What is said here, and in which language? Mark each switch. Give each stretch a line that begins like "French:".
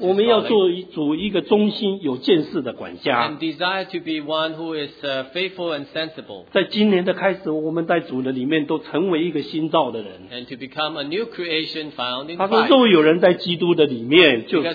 Chinese: 我们要做主一个忠心有见识的管家,
English: and desire to be one who is faithful and sensible.
Chinese: 在今年的开始, 我们在主的里面都成为一个新造的人,
English: and to become a new creation found in Christ.
Chinese: 他说若有人在基督的里面,